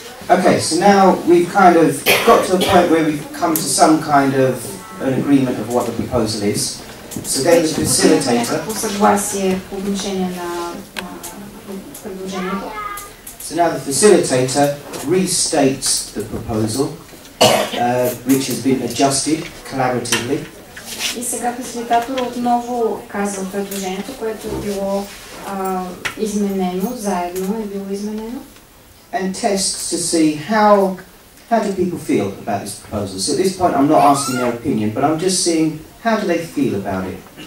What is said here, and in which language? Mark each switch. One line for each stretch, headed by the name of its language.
English: Okay, so now we've kind of got to a point where we've come to some kind of an agreement of what the proposal is. So then the facilitator. So now the facilitator restates the proposal, which has been adjusted collaboratively.
Bulgarian: И сега фасилитатор отново казва предложението, което е било изменено, заедно е било изменено.
English: And tests to see how do people feel about this proposal. So at this point I'm not asking their opinion, but I'm just seeing how do they feel about it.